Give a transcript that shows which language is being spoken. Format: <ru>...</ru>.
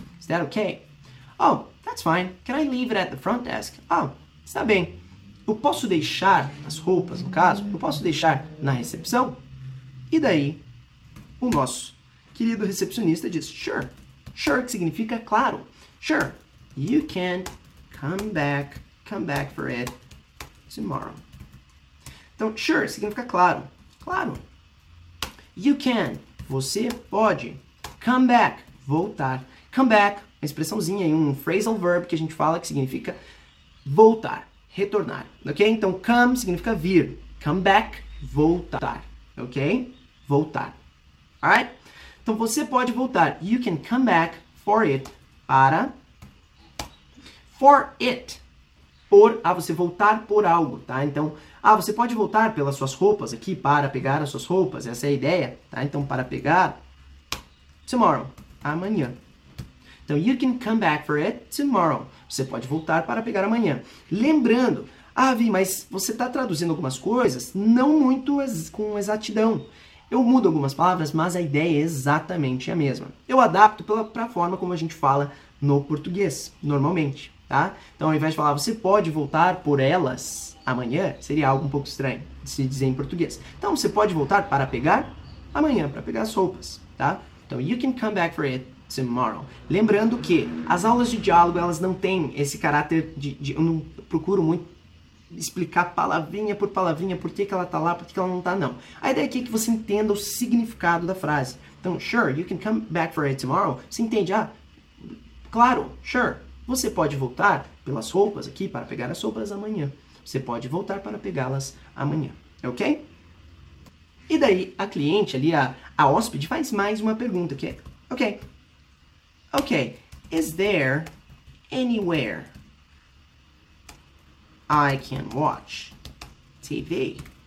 <en>Is that okay? Oh, that's fine. Can I leave it at the front desk? Oh,</en> <pt>está bem. Eu posso deixar as roupas, no caso, eu posso deixar na recepção? E daí, o nosso querido recepcionista diz, sure. Sure, que significa claro.</pt> <en>Sure, you can come back for it tomorrow.</en> <pt>Então, sure, significa claro. Claro.</pt> <en>You can,</en> <pt>você pode. Come back, voltar. Come back, uma expressãozinha, um phrasal verb que a gente fala que significa voltar, retornar. Ok? Então, come significa vir. Come back, voltar. Ok? Voltar. Alright? Então, você pode voltar.</pt> <en>You can come back for it.</en> <pt>Para. For it. Por, você voltar por algo, tá? Então, você pode voltar pelas suas roupas aqui, para pegar as suas roupas. Essa é a ideia, tá? Então, para pegar. Tomorrow. Amanhã.</pt> <en>Então, you can come back for it tomorrow.</en> <pt>Você pode voltar para pegar amanhã. Lembrando, Vi, mas você está traduzindo algumas coisas? Não muito com exatidão. Eu mudo algumas palavras, mas a ideia é exatamente a mesma. Eu adapto para a forma como a gente fala no português, normalmente, tá? Então, ao invés de falar, você pode voltar por elas amanhã, seria algo um pouco estranho de se dizer em português. Então, você pode voltar para pegar amanhã, para pegar as roupas, tá?</pt> <en>Então, you can come back for it tomorrow.</en> <pt>Lembrando que as aulas de diálogo, elas não têm esse caráter de eu não procuro muito explicar palavrinha, por que ela tá lá, por que ela não tá, não. A ideia aqui é que você entenda o significado da frase.</pt> <en>Então, sure, you can come back for it tomorrow.</en> <pt>Você entende, claro, sure. Você pode voltar pelas roupas aqui para pegar as roupas amanhã. Você pode voltar para pegá-las amanhã, ok? E daí, a cliente ali, a hóspede, faz mais uma pergunta, que é, ok,</pt> <en>is there anywhere I can watch TV?</en>